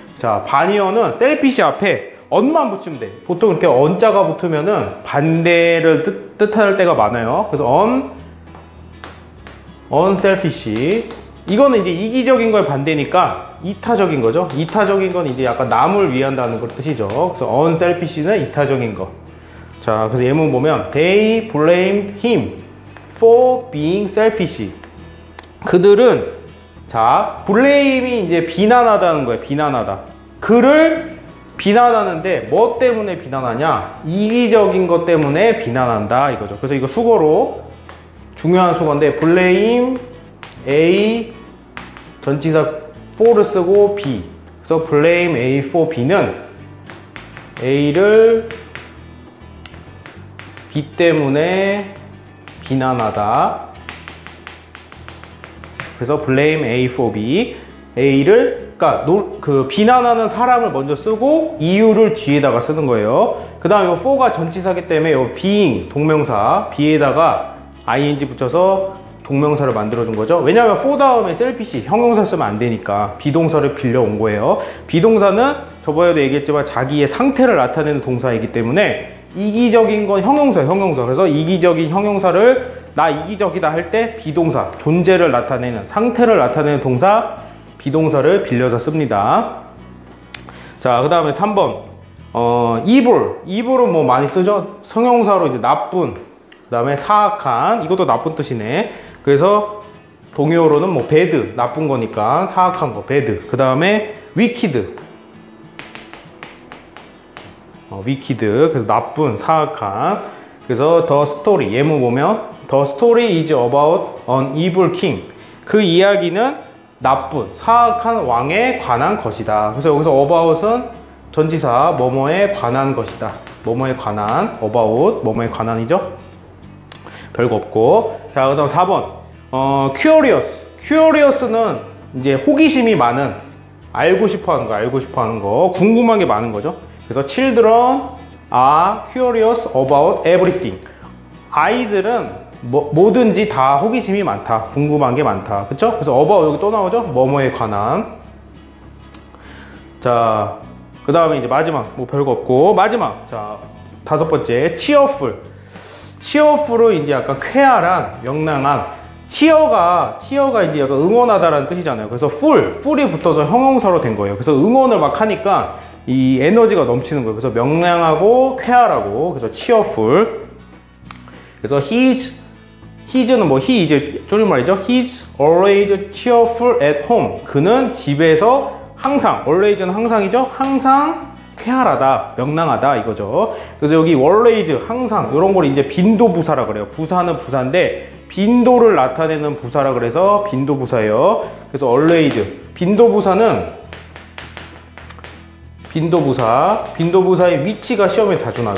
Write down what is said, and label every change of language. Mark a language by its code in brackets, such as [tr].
[ko] 자, 반이어는 selfish 앞에 언만 붙이면 돼. 보통 이렇게 언자가 붙으면은 반대를 뜻할 때가 많아요. 그래서 unselfish 이거는 이제 이기적인 거에 반대니까 이타적인 거죠. 이타적인 건 이제 약간 남을 위한다는 걸 뜻이죠. 그래서 unselfish는 이타적인 거. 자, 그래서 예문 보면 [en] they blamed him for being selfish. [ko] 그들은 자, blame이 이제 비난하다는 거예요. 비난하다. 그를 비난하는데 뭐 때문에 비난하냐? 이기적인 것 때문에 비난한다 이거죠. 그래서 이거 수거로 중요한 수거인데 blame a 전치사 for를 쓰고 b. 그래서 blame a for b는 a를 b 때문에 비난하다. 그래서 blame a for b. a를 그러니까 그 비난하는 사람을 먼저 쓰고 이유를 뒤에다가 쓰는 거예요. 그 다음에 for가 전치사기 때문에 being 동명사 b에다가 ing 붙여서 동명사를 만들어 준 거죠. 왜냐하면 for 다음에 selfish 형용사 쓰면 안 되니까 비동사를 빌려 온 거예요. 비동사는 저번에도 얘기했지만 자기의 상태를 나타내는 동사이기 때문에 이기적인 건 형용사. 그래서 이기적인 형용사를 나 이기적이다 할 때 비동사, 존재를 나타내는, 상태를 나타내는 동사 비동사를 빌려서 씁니다. 자, 그 다음에 3번 evil. evil은 뭐 많이 쓰죠? 형용사로 이제 나쁜, 그 다음에 사악한, 이것도 나쁜 뜻이네. 그래서 동요어로는 뭐 bad, 나쁜 거니까 사악한 거 bad. 그 다음에 wicked. wicked, 그래서 나쁜, 사악한. 그래서 [en] the story, [ko] 예문 보면 [en] the story is about an evil king. [ko] 그 이야기는 나쁜, 사악한 왕에 관한 것이다. 그래서 여기서 about은 전지사, 뭐뭐에 관한 것이다. 뭐뭐에 관한, about, 뭐뭐에 관한이죠? 별거 없고. 자, 그 다음 4번. curious. curious는 이제 호기심이 많은, 알고 싶어 하는 거, 알고 싶어 하는 거, 궁금한 게 많은 거죠. 그래서 [en] children are curious about everything. [ko] 아이들은 뭐든지 다 호기심이 많다. 궁금한 게 많다. 그쵸? 그래서 about 여기 또 나오죠? 뭐뭐에 관한. 자, 그 다음에 이제 마지막. 뭐 별거 없고. 마지막. 자, 다섯 번째. cheerful. cheerful은 이제 약간 쾌활한, 명랑한. cheer가 이제 약간 응원하다라는 뜻이잖아요. 그래서 full이 붙어서 형용사로 된 거예요. 그래서 응원을 막 하니까 이 에너지가 넘치는 거예요. 그래서 명랑하고 쾌활하고. 그래서 cheerful. 그래서 his는 뭐 he 이제 줄임말이죠. [en] he's always cheerful at home. [ko] 그는 집에서 항상, always는 항상이죠. 항상 쾌활하다, 명랑하다 이거죠. 그래서 여기 always, 항상 이런 걸 이제 빈도 부사라 그래요. 부사는 부사인데 빈도를 나타내는 부사라 그래서 빈도 부사예요. 그래서 always, 빈도 부사는 빈도 부사의 위치가 시험에 자주 나와.